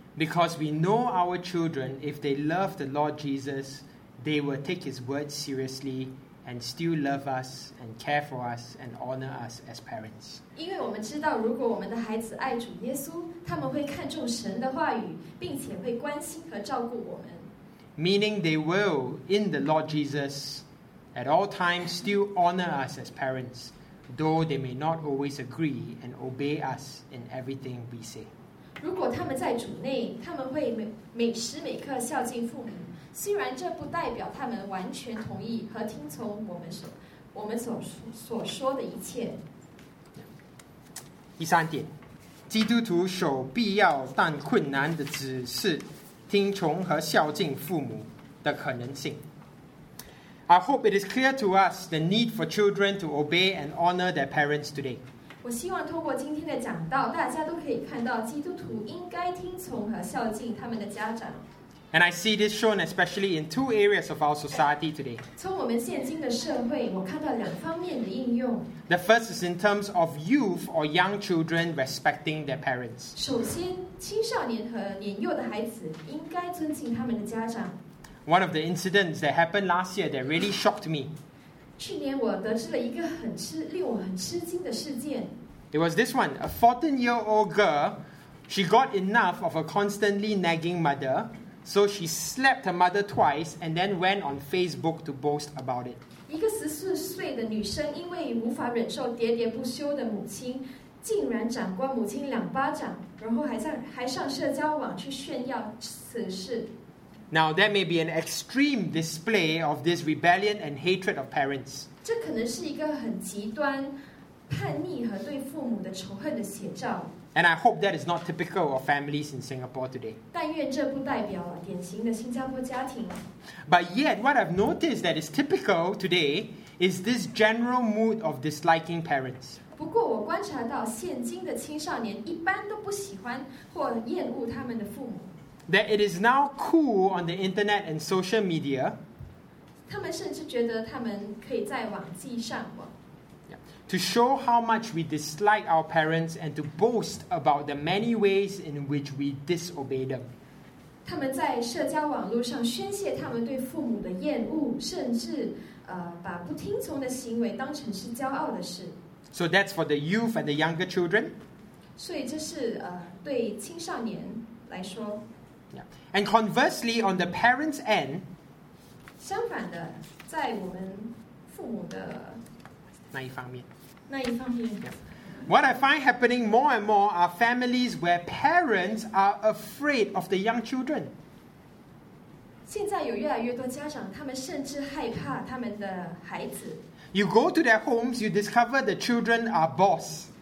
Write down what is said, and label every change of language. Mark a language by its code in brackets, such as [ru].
[en] Because we know our children, if they love the Lord Jesus, they will take His word seriously and still love us and care for us and honor us as parents. [zh] 因为我们知道，如果我们的孩子爱主耶稣，他们会看重神的话语，并且会关心和照顾我们。 [en] Meaning they will, in the Lord Jesus, at all times still honor us as parents, though they may not always agree and obey us in everything we say. [zh] 如果他们在主内，他们会每时每刻孝敬父母，虽然这不代表他们完全同意和听从我们所说的一切。第三点，基督徒守必要但困难的指示。听从和孝敬父母的可能性。 [en] I hope it is clear to us the need for children to obey and honor their parents today. [zh] 我希望透过今天的讲道，大家都可以看到基督徒应该听从和孝敬他们的家长。 [en] And I see this shown especially in two areas of our society today. [zh] 从我们现今的社会，我看到两方面的应用。 [en] The first is in terms of youth or young children respecting their parents. [zh] 首先青少年和年幼的孩子应该尊敬他们的家长。 [en] One of the incidents that happened last year that really shocked me. [zh] 去年我得知了一个令我很吃惊的事件。 [en] It was this one. A 14-year-old girl, she got enough of a constantly nagging mother, so she slapped her mother twice and then went on Facebook to boast about it. [zh] 一个14岁的女生因为无法忍受喋喋不休的母亲，竟然掌掴母亲两巴掌，然后还上社交网去炫耀此事。 [en] Now that may be an extreme display of this rebellion and hatred of parents. [zh] 这可能是一个很极端叛逆和对父母的仇恨的写照。 [en] And I hope that is not typical of families in Singapore today. [zh] 但愿这不代表典型的新加坡家庭。 [en] But yet, what I've noticed that is typical today is this general mood of disliking parents. [zh] 不过我观察到现今的青少年一般都不喜欢或厌恶他们的父母。 [en] That it is now cool on the internet and social media. [zh] 他们甚至觉得他们可以在网际上网。 [en] To show how much we dislike our parents and to boast about the many ways in which we disobey them. [zh] 他们在社交网络上宣泄他们对父母的厌恶，甚至把不听从的行为当成是骄傲的事。 [en] So that's for the youth and the younger children. [zh] 所以这是对青少年来说。 [en] Yeah. And conversely, on the parents' end. [zh] 相反的，在我们父母的那一方面。那一方面。 [en] Yeah. What I find happening more and more are families where parents are afraid of the young children. [zh] 现在有越来越多家长，他们甚至害怕他们的孩子。 [en] You go to their homes, you discover the children are boss.